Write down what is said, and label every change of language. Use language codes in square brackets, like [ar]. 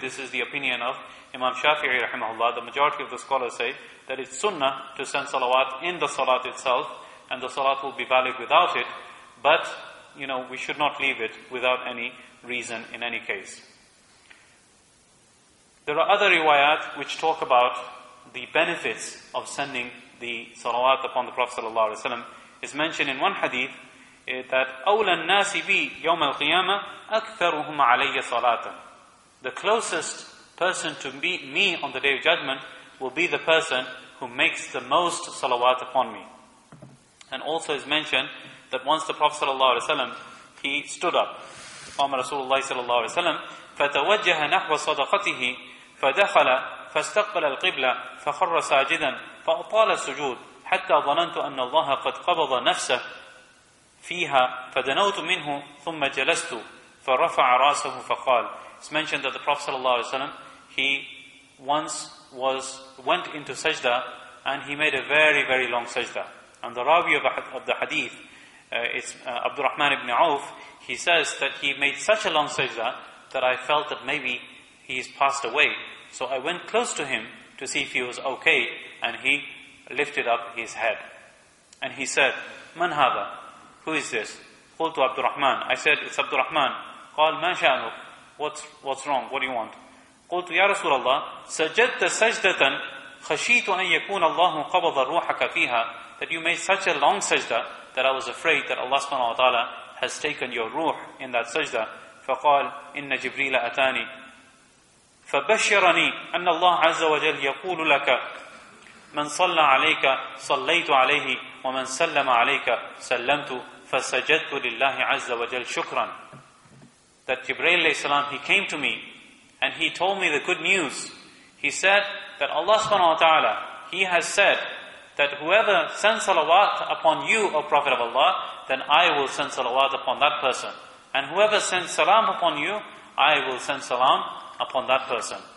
[en] This is the opinion of Imam Shafi'i rahimahullah. The majority of the scholars say that it's sunnah to send salawat in the salat itself, and the salat will be valid without it. But, you know, we should not leave it without any reason in any case. There are other riwayat which talk about the benefits of sending the salawat upon the Prophet sallallahu alaihi wasallam. Is mentioned in one hadith that [ar] أولى الناس بي يوم القيامة أكثرهم علي صلاة. [en] The closest person to me on the Day of Judgment will be the person who makes the most salawat upon me. And also is mentioned that once the Prophet sallallahu alaihi wasallam, he stood up. [ar] قام رسول الله صلى الله عليه وسلم فتوجه نحو صدقته فدخل فاستقبل القبلة فخر ساجدا فأطال السجود حتى ظننت أن الله قد قبض نفسه فيها فدنوت منه ثم جلست فرفع راسه فقال. [en] It's mentioned that the Prophet sallallahu alaihi wasallam, he once went into sajda and he made a very very long sajda. And the rawi of the hadith, it's Abdurrahman ibn Auf, he says that he made such a long sajda that I felt that maybe he is passed away. So I went close to him to see if he was okay, and he lifted up his head. And he said, [ar] "Man hada? [en] Who is this?" [ar] قلت عبدالرحمن. [en] I said, "It's Abdurrahman." [ar] قال ما شأنك? [en] What's wrong? What do you want? [ar] قلت يا رسول الله سجدت سجدة خشيت أن يكون الله قبض روحك فيها. [en] That you made such a long sajda that I was afraid that Allah subhanahu wa ta'ala has taken your ruh in that sajda. [ar] فقال إن جبريل أتاني فبشرني أن الله عز وجل يقول لك من صلى عليك صليت عليه ومن سلم عليك سلمت فسجدت لله عز وجل شكرا. [en] That Jibreel alayhi salam, he came to me and he told me the good news. He said that Allah subhanahu wa ta'ala, he has said that whoever sends salawat upon you, O Prophet of Allah, then I will send salawat upon that person. And whoever sends salam upon you, I will send salam upon that person.